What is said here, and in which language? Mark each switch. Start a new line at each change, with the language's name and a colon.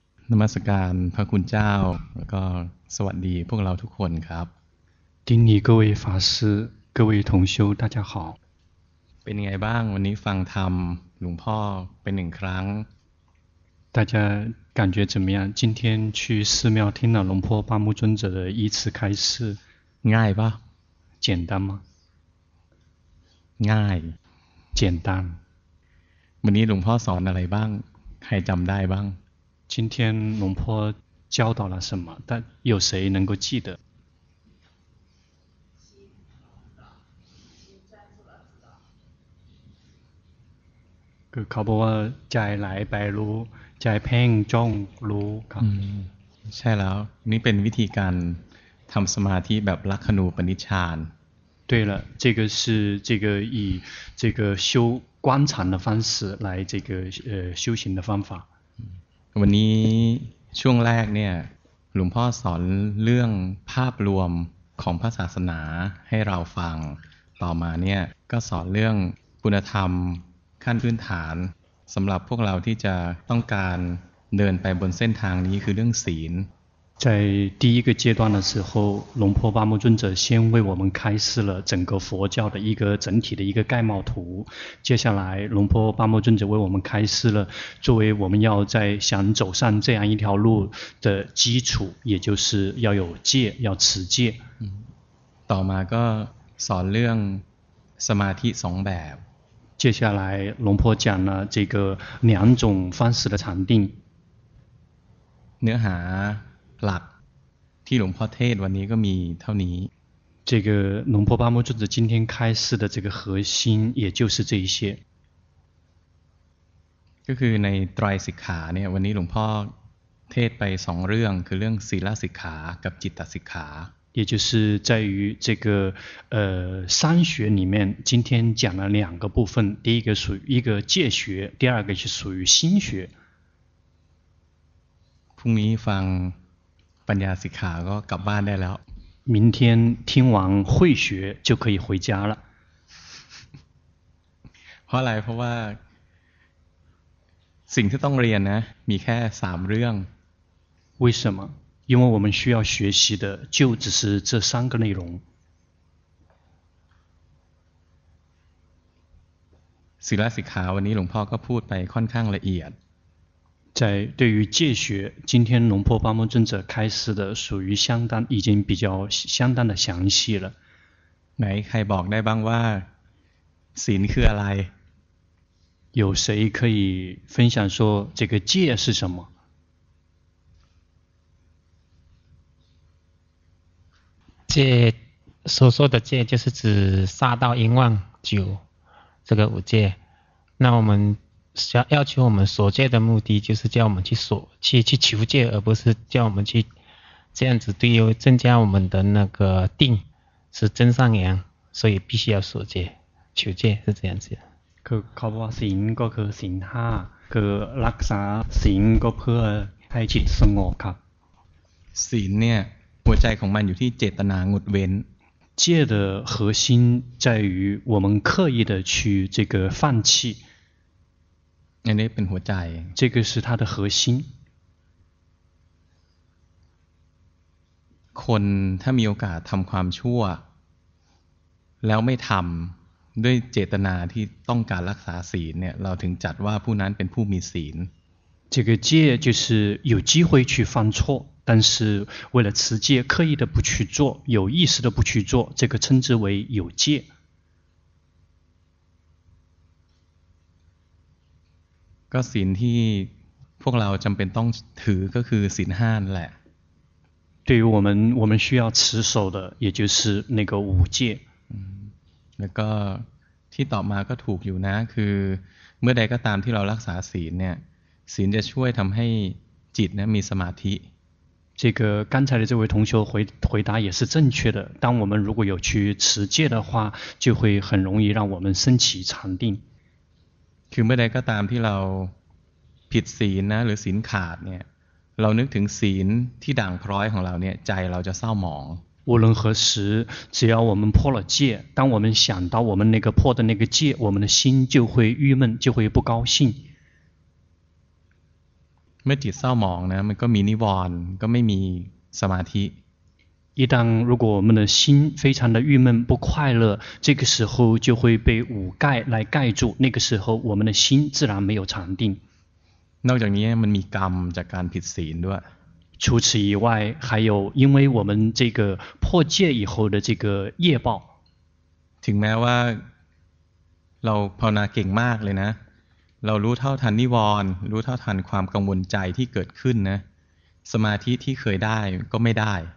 Thai: นมัสการพระคุณเจ้าแล้วก็สวัสดีพวกเราทุกคนครับ
Chinese: ดินี各位法师各位同修大家好
Thai: เป็นไงบ้างวันนี้ฟังธรรมหลวงพ่อเป็นหนึ่งครั้ง
Chinese: 大家感觉怎么样今天去寺庙听了龙坡巴木尊者的一次开示
Thai: ง่ายป่ะ
Chinese: 简单吗
Thai: ง่าย
Chinese: 简单
Thai: วันนี้หลวงพ่อสอนอะไรบ้างใครจำได้บ้าง
Chinese: 今天龙坡教导了什么但有谁能够记得
Thai: คือเขาบอกว่าใจไหลไปรู้ใจเพ่งจ้องรู้ครับ ใช่แล้วนี่เป็นวิธีการทำสมาธิแบบลักขณูปนิชฌาน
Chinese: 对了这个是这个以这个修观禅的方式来这个修行的方法
Thai: วันนี้ช่วงแรกเนี่ยหลวงพ่อสอนเรื่องภาพรวมของพระศาสนาให้เราฟังต่อมาเนี่ยก็สอนเรื่องคุณธรรมขั้นพื้นฐานสำหรับพวกเราที่จะต้องการเดินไปบนเส้นทางนี้คือเรื่องศีล
Chinese: 在第一个阶段的时候龙婆巴木尊者先为我们开示了整个佛教的一个整体的一个概貌图接下来龙婆巴木尊者为我们开示了作为我们要在想走上这样一条路的基础也就是要有戒要持戒
Thai: ต่อมาก็สอนเรื่องสมาธิสองแบบ
Chinese: 接下来龙婆讲了这个两种方式的禅定
Thai: เนื้อหาหลักที่หลวงพ่อเทศวันนี้ก็มีเท่านี้
Chinese: 这个龙婆巴木尊者今天开示的这个核心也就是这一些
Thai: ก็คือในไตรสิกขาเนี่ยวันนี้หลวงพ่อเทศไปสองเรื่องคือเรื่องศีลสิกขากับจิตตสิกขา
Chinese: 也就是在于这个三学里面今天讲了两个部分第一个属于一个戒学第二个是属于心学
Thai: พรุ่งนี้ฟังปัญญาสิกขาก็กลับบ้านได้แล้ว
Chinese: 明天听完慧学就可以回家了
Thai: เพราะอะไรเพราะว่าสิ่งที่ต้องเรียนนะมีแค่สามเรื่อง
Chinese: 为什么因为我们需要学习的就只是这三个内容
Thai: ศีลสิกขาวันนี้หลวงพ่อก็พูดไปค่อนข้างละเอียด
Chinese: 在对于戒学今天龙婆巴木尊者开示的属于相当已经比较相当的详细了
Thai: ไหนใครบอกได้บ้างว่าศีลคืออะไร
Chinese: 有谁可以分享说这个戒是什么戒所说的戒就是指杀盗淫妄酒这个五戒那我们要求我们所戒的目的就是叫我们去所 去求戒而不是叫我们去这样子对于增加我们的那个定是增上扬所以必须要所戒求戒是这样子
Thai: คือเขาบอกว่าศีลก็คือศีล5คือรักษาศีลก็เพื่อให้จิตสงบครับ ศีลเนี่ยหัวใจของมันอยู่ที่เจตนางดเว้น
Chinese: 戒的核心在于我们刻意的去这个放弃
Thai: อันนี้เป็นหัวใจ
Chinese: 这个是它的核心
Thai: คนถ้ามีโอกาสทำความชั่วแล้วไม่ทำด้วยเจตนาที่ต้องการรักษาศีลเนี่ยเราถึงจัดว่าผู้นั้นเป็นผู้มีศีล
Chinese: 这个戒就是有机会去犯错但是为了持戒刻意的不去做有意识的不去做这个称之为有戒
Thai: ก็ศีลที่พวกเราจำเป็นต้องถือก็คือศีลห้านแหละ
Chinese: 对于我们需要持守的也就是那个五戒
Thai: แล้วก็ที่ต่อมาก็ถูกอยู่นะคือเมื่อใดก็ตามที่เรารักษาศีลเนี่ยศีลจะช่วยทำให้จิตเนี่ยมีสมาธิ
Chinese: 这个刚才的这位同学回答也是正确的当我们如果有去持戒的话就会很容易让我们升起禅定
Thai: คือเมื่อใดก็ตามที่เราผิดศีลนะหรือศีลขาดเนี่ยเรานึกถึงศีลที่ด่างพร้อยของเราเนี่ยใจเราจะเศร้าหมอง
Chinese: 无论何时只要我们破了戒当我们想到我们那个破的那个戒我们的心就会郁闷就会不高兴
Thai: เมื่อจิตเศร้าหมองนะมันก็มีนิวรณ์ก็ไม่มีสมาธิ
Chinese: 一旦如果我们的心非常的郁闷不快乐这个时候就会被五盖来盖住那个时候我们的心自然没有禅定
Thai: นอกจากนี้มันมีกรรมจากการผิดศีลด้วย
Chinese: 除此以外还有因为我们这个破戒以后的这个业报
Thai: ถึงแม้ว่าเราภาวนาเก่งมากเลยนะเรารู้เท่าทันนิวรณ์รู้เท่าทันความกังวลใจที่เกิดขึ้นนะสมาธิที่เคยได้ก็ไม่ได้